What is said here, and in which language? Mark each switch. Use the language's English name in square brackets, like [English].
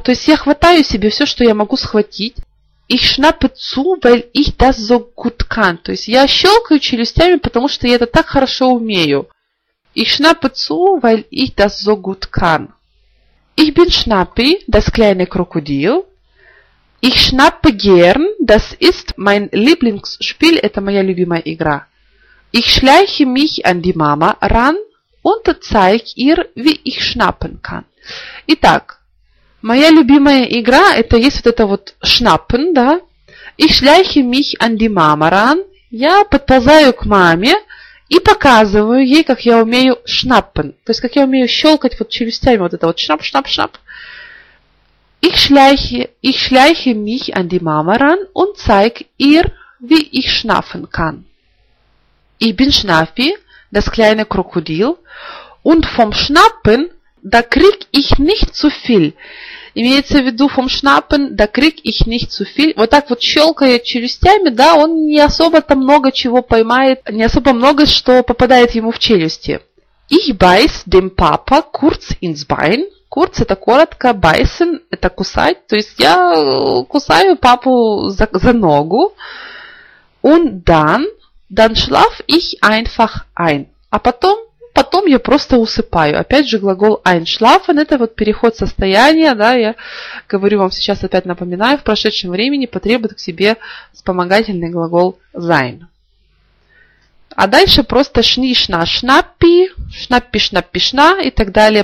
[Russian] То есть я хватаю себе все, что я могу схватить. [German] Ich schnappe zu, weil ich das so gut kann. [Russian] То есть я щелкаю челюстями, потому что я это так хорошо умею. [German] Ich schnappe zu, weil ich das so gut kann. Ich bin Schnappi, das kleine Krokodil. Ich schnappe gern, das ist mein Lieblingsspiel, [Russian] это моя любимая игра. [German] Ich schleiche mich an die Mama ran und zeig ihr, wie ich schnappen kann. [Russian] Итак, моя любимая игра – это есть вот это вот «schnappen», да? [German] «Ich schleiche mich an die Mama ran». [Russian] Я подползаю к маме и показываю ей, как я умею «schnappen». То есть, как я умею щелкать вот челюстями вот это вот «schnapp-schnapp-schnapp». [German] «Ich schleiche mich an die Mama ran und zeig ihr, wie ich schnappen kann». «Ich bin Schnappi, das kleine Krokodil, und vom Schnappen da krieg ich nicht zu viel». [Russian] Имеется в виду [German] vom Schnappen, da krieg ich nicht zu viel. [Russian] Вот так вот щелкая челюстями, да, он не особо-то много чего поймает, не особо много, что попадает ему в челюсти. [German] Ich beiß dem Papa kurz ins Bein. [Russian] Kurz – это коротко, beißen – это кусать. То есть я кусаю папу за ногу. [German] Und dann schlaf ich einfach ein. [Russian] А потом потом я просто усыпаю. Опять же, глагол einschlafen – это вот переход состояния. Да, я говорю вам сейчас, опять напоминаю, в прошедшем времени потребует к себе вспомогательный глагол sein. А дальше просто шнишна, шнаппи, шнаппи, шнаппи, шна и так далее.